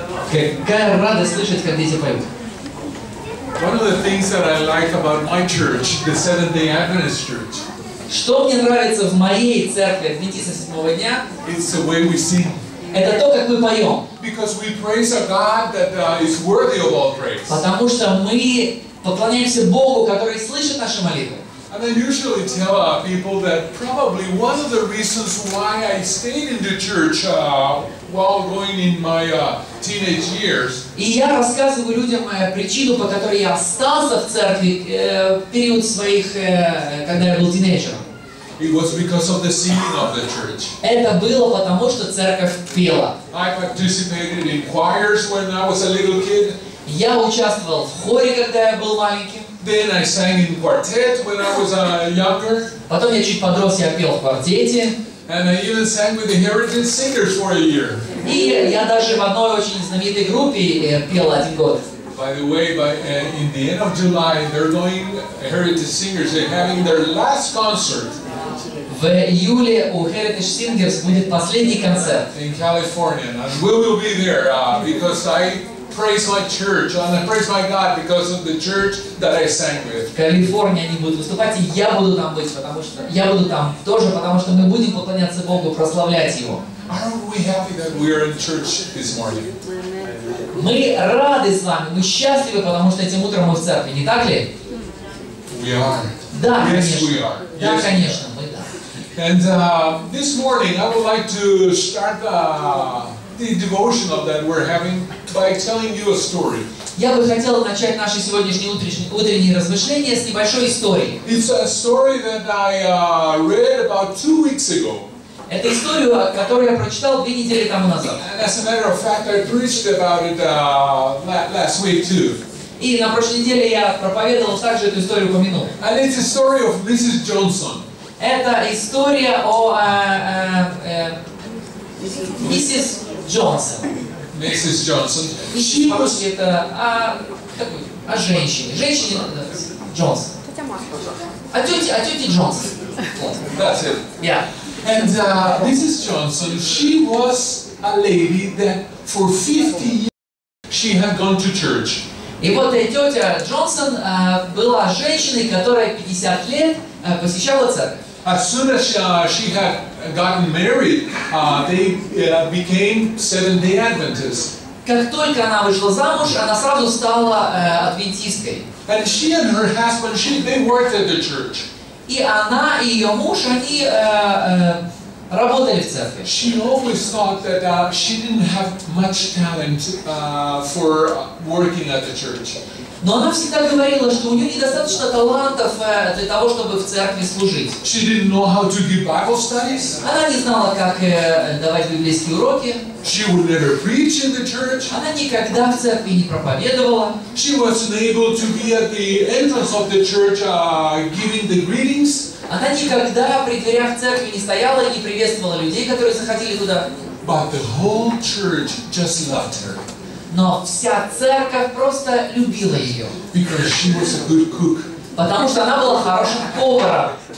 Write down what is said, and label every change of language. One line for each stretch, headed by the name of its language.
Russian: Какая радость слышать, как дети поют.
English: One of the things that I like about my church, the Seventh-day Adventist Church.
Russian: Что мне нравится в моей церкви Адвентиста Седьмого дня?
English: It's the way we sing.
Russian: Это то, как мы поем.
English: Because we praise a God that is worthy of all praise.
Russian: Потому что мы поклоняемся Богу, который слышит наши молитвы.
English: And I usually tell people that probably one of the reasons why I stayed in the church while going in my teenage years.
Russian: И я рассказываю людям причину, по которой я остался в церкви период своих, когда я был тинейджером.
English: It was because of the singing of the church.
Russian: Это было потому, что церковь пела.
English: I participated in choirs when I was a little kid.
Russian: Я участвовал в хоре, когда я был маленьким.
English: Then I sang in quartet when I was younger.
Russian: Потом я чуть подрос, я пел в квартете.
English: And I even sang with the Heritage Singers for a year.
Russian: И я даже в одной очень знаменитой группе пел один год.
English: By the way, in the end of July, they're going Heritage Singers. They're having their last concert.
Russian: В июле у Heritage Singers будет последний концерт.
English: In California, and we will be there because I. Praise my church, and I praise my God because of the church that I sang with.
Russian: В Калифорнии они будут выступать, и я буду там быть, потому что я буду там тоже, потому что мы будем поклоняться Богу, прославлять Его.
English: Aren't we happy that we are in church this morning?
Russian: Мы рады с вами, мы счастливы, потому что этим утром мы в церкви, не так ли?
English: We are.
Russian: Да,
English: yes,
Russian: конечно.
English: We are.
Russian: Да,
English: yes,
Russian: конечно, мы да.
English: And this morning I would like to start the devotional that we're having by telling you a story.
Russian: Я бы хотел начать наше сегодняшнее утреннее размышление с небольшой истории.
English: It's a story that I read about 2 weeks ago.
Russian: Это историю, которую я прочитал 2 недели тому назад.
English: And as a matter of fact, I preached about it last week too.
Russian: И на прошлой неделе я проповедовал также эту историю упомянул.
English: And it's a story of Mrs. Johnson.
Russian: Это история о Mrs. Джонсон. Миссис Джонсон. И
English: she was...
Russian: это о женщине. Женщине Джонсон. Тетя Марта. А тетя Джонсон.
English: That's it. Yeah. And Миссис Джонсон, she was a lady that for 50 years she had gone to church.
Russian: И вот тетя Джонсон была женщиной, которая 50 лет посещала церковь.
English: As soon as she had gotten married, they became Seventh-day Adventists.
Russian: Как только она вышла замуж, она сразу стала адвентисткой.
English: And she and her husband, they worked at the church.
Russian: И она и ее муж, они работали в церкви.
English: She always thought that she didn't have much talent for working at the church.
Russian: Но она всегда говорила, что у нее недостаточно талантов для того, чтобы в церкви служить.
English: She didn't know how to give Bible studies.
Russian: Она не знала, как давать библейские уроки.
English: She would never preach in the church.
Russian: Она никогда в церкви не проповедовала.
English: She wasn't able to be at the entrance of the church giving the greetings.
Russian: Она никогда при дверях церкви не стояла и не приветствовала людей, которые заходили туда.
English: But the whole church just loved her.
Russian: Но вся церковь просто любила ее.
English: Because she was a good cook.
Russian: Потому что она была хорошим поваром.